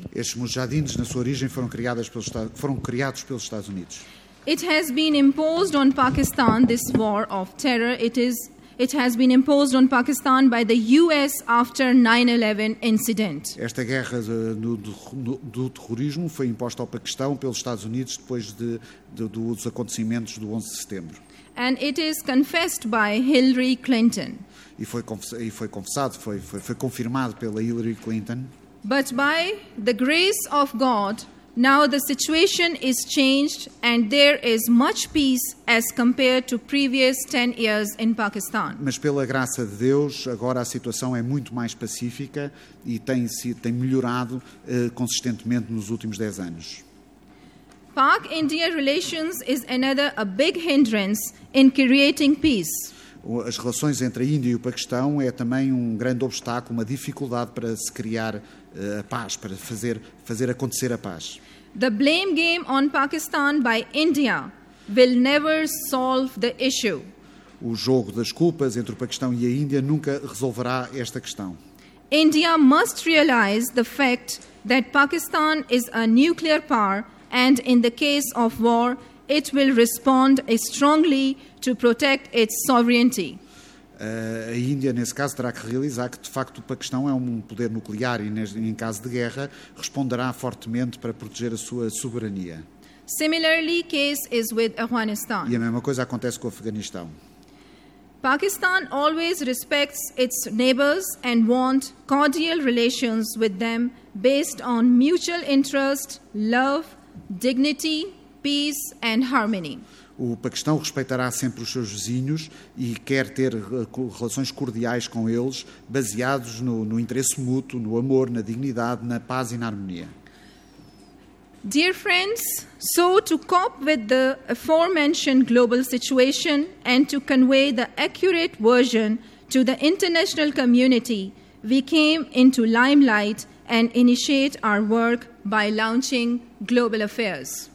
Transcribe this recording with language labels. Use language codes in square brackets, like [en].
[pt] Estes Mujahideens, na sua origem, foram criados pelos Estados Unidos. [en] It has been imposed on Pakistan, this war of terror. It has been imposed on Pakistan by the US after 9/11 incident. [pt] Esta guerra do terrorismo foi imposta ao Paquistão pelos Estados Unidos depois dos acontecimentos do 11 de setembro. [en] And it is confessed by Hillary Clinton. [pt] E foi confirmado pela Hillary Clinton. [en] But by the grace of God, now the situation is changed and there is much peace as compared to previous 10 years in Pakistan. [pt] Mas pela graça de Deus, agora a situação é muito mais pacífica e tem melhorado consistentemente nos últimos 10 anos. [en] Pak-India relations is another a big hindrance in creating peace. [pt] As relações entre a Índia e o Paquistão é também um grande obstáculo, uma dificuldade para se criar a paz, para fazer acontecer a paz. [en] The blame game on Pakistan by India will never solve the issue. [pt] O jogo das culpas entre o Paquistão e a Índia nunca resolverá esta questão. [en] India must realize the fact that Pakistan is a nuclear power and in the case of war it will respond strongly to protect its sovereignty. [pt] A Índia, nesse caso, terá que realizar que, de facto, o Paquistão é um poder nuclear e, em caso de guerra, responderá fortemente para proteger a sua soberania. [en] Similarly, case is with Afghanistan. [pt] E a mesma coisa acontece com o Afeganistão. [en] Pakistan always respects its neighbors and want cordial relations with them based on mutual interest, love, dignity, peace and harmony. [pt] O Paquistão respeitará sempre os seus vizinhos e quer ter relações cordiais com eles, baseados no interesse mútuo, no amor, na dignidade, na paz e na harmonia. [en] Dear friends, so to cope with the aforementioned global situation and to convey the accurate version to the international community, we came into limelight and initiate our work by launching Global Affairs.